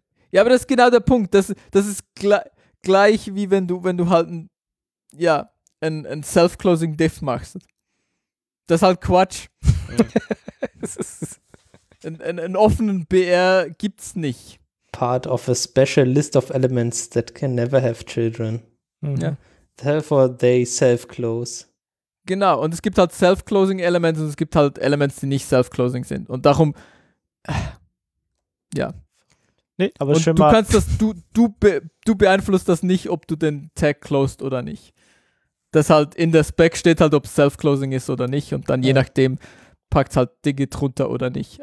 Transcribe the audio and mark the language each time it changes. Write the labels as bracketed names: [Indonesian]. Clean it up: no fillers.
[German] Ja, aber das ist genau der Punkt. Das ist gleich wie wenn du halt ein Self-Closing Div machst. Das ist halt Quatsch. Einen offenen BR gibt's nicht. [English] Part of a special list of elements that can never have children. [German] Mhm. Ja. [English] Therefore they self-close. [German] Genau, und es gibt halt Self-Closing-Elements und es gibt halt Elements, die nicht Self-Closing sind. Und darum, ja. Nee, aber und schön du mal. Kannst das, du beeinflusst das nicht, ob du den Tag closed oder nicht. Das halt in der Spec steht halt, ob es Self-Closing ist oder nicht und dann je nachdem packt es halt Dinge drunter oder nicht.